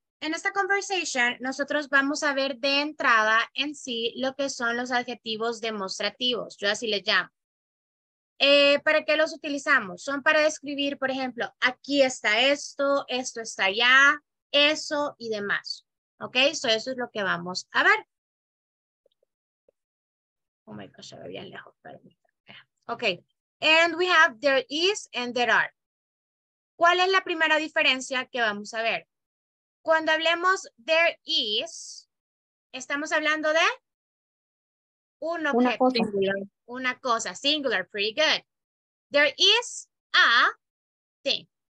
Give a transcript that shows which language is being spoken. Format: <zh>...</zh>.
<es>En esta conversación, nosotros vamos a ver de entrada en sí lo que son los adjetivos demostrativos. Yo así les llamo. ¿Para qué los utilizamos? Son para describir, por ejemplo, aquí está esto, esto está allá, eso y demás. ¿Ok? So eso es lo que vamos a ver.</es> <en>Oh my gosh,</en> <es>se ve bien lejos. Ok.</es> <en>And we have there is and there are.</en> <es>¿Cuál es la primera diferencia que vamos a ver? Cuando hablemos there is, estamos hablando de un objeto, una cosa, singular,</es> <en>pretty good. There is a thing.</en>